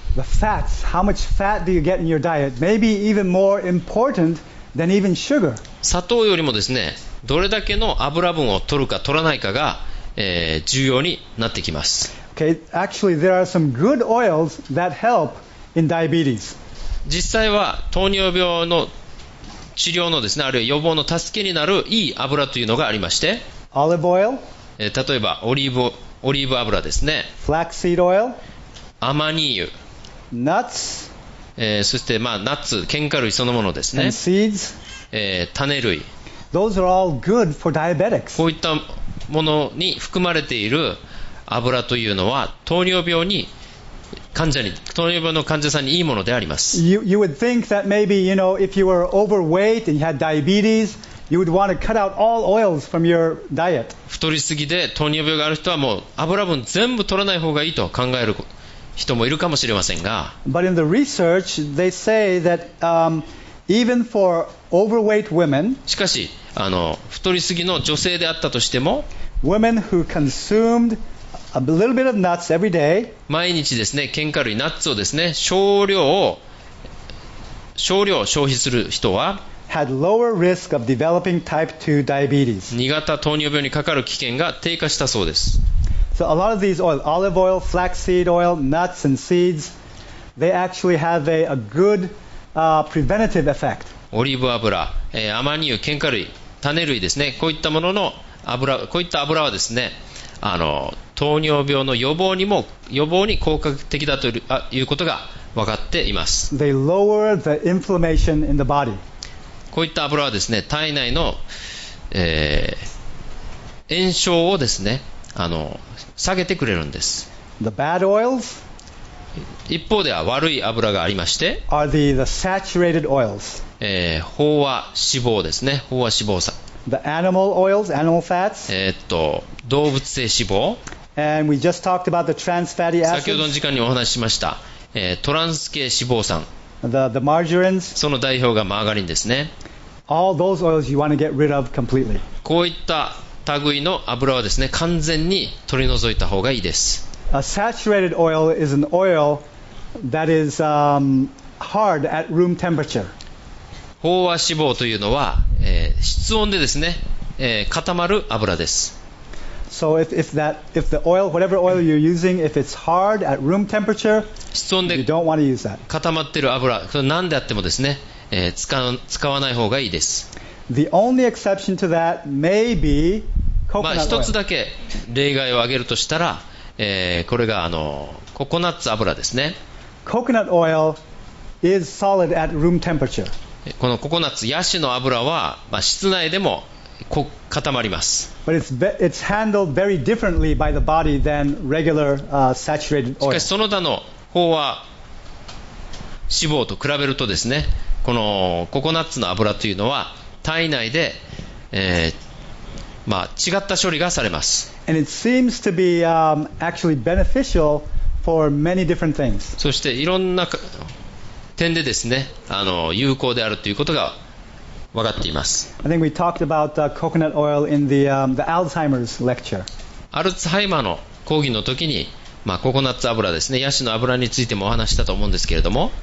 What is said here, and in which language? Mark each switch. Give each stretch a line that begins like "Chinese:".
English: The fats, how much fat do you get in your diet? Maybe even more important than even sugar.
Japanese: 砂糖よりもですね、どれだけの油分を取るか取らないかが、重要になってきます。
English: Okay, actually there are some good oils that help in diabetes.
Japanese: 実際は糖尿病の治療のですね、あるいは予防の助けになるいい油というのがありまして、
English: Olive oil.
Japanese: 例えばオリーブ油ですね。
English: Flaxseed oil.
Japanese: アマニ油。
English: Nuts,
Japanese: そして、ナッツ、ケンカ類そのものですね。
English: And seeds,
Japanese: 種類。
English: Those are all good for diabetics.
Japanese: こういったものに含まれている油というのは糖尿病に患者に糖尿病の患者さんにいいものであります。
English: You would think that maybe, you know, if you were overweight and you had diabetes, you would want to cut out all oils from your diet.
Japanese: 太りすぎで糖尿病がある人はもう油分全部取らない方がいいと考える人もいるかもしれませんが。
English: But in the research, they say that, even for overweight women,
Japanese: しかし、太りすぎの女性であったとしても、
English: women who consumed a little bit of nuts every day,
Japanese: 毎日ですね、堅果類、ナッツをですね、少量消費する人は、
English: had lower risk of developing type 2 diabetes.
Japanese: 2型糖尿病にかかる危険が低下したそうです。
English: So a lot of these oils, olive oil, flaxseed oil, nuts and seeds, they actually have a good preventative effect.
Japanese: オリーブ油、アマニ油、堅果類、種類ですね。こういったものの油、こういった油はですね、糖尿病の予防に効果的だということが分かっています。
English: They lower the inflammation in the body.
Japanese: こういった油はですね、体内の、炎症をですね、下げてくれるんです。
English: the bad oils
Japanese: 一方では悪い油がありまして
English: are the saturated oils.、
Japanese: 飽和脂肪ですね。飽和脂肪酸
English: the animal oils, animal fats.
Japanese: 動物性脂肪
English: and we just talked about the trans fatty acids.
Japanese: 先ほどの時間にお話ししました、トランス系脂肪酸
English: the margarines.
Japanese: その代表がマーガリンですね。
English: All those oils you want to get rid of completely.
Japanese: こういった類の油はですね、完全に取り除いた方がいいです。
English: A saturated oil is an oil that is hard at room temperature.
Japanese: 飽和脂肪というのは、室温でですね、固まる油です。
English: So if the oil, whatever oil you're using, if it's hard at room temperature, you don't want to use that.
Japanese: 室温で固まっている油、それ何であってもですね、使わない方がいいです。
English: The only exception to that may be coconut oil.
Japanese: 一つだけ例外を挙げるとしたら、これがココナッツ油ですね。
English: Coconut oil is solid at room temperature.
Japanese: このココナッツヤシの油は、室内でも固まります。
English: But it's handled very differently by the body than regular saturated oil.
Japanese: しかしその他の飽和脂肪と比べるとですね、このココナッツの油というのは体内で、違った処理がされます。
English: And it seems to be, actually beneficial for many different things.
Japanese: そしていろんな点でですね、有効であるということが分かっています。
English: I think we talked about, coconut oil in the, the Alzheimer's lecture.
Japanese: アルツハイマーの講義の時に、ココナッツ油ですね、ヤシの油についてもお話したと思うんですけれども、